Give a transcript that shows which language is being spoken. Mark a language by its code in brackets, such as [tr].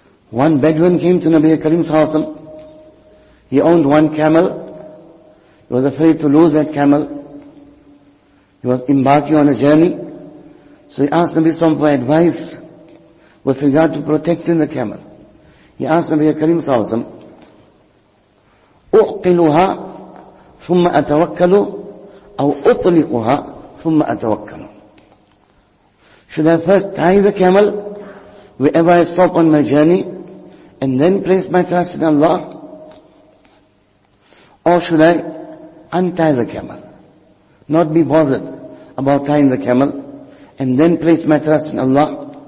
[en] One Bedouin came to Nabi Karim Sahasam. He owned one camel. He was afraid to lose that camel. He was embarking on a journey. So he asked Nabi Sahasam for advice with regard to protecting the camel. He asked Nabi Karim Sahasam, [ar] أُعْقِلُهَا ثُمَّ أَتَوَكَّلُ أَوْ أُطْلِقُهَا ثُمَّ أَتَوَكَّلُ. [en] Should I first tie the camel wherever I stop on my journey and then place my trust in Allah? Or should I untie the camel, not be bothered about tying the camel, and then place my trust in Allah?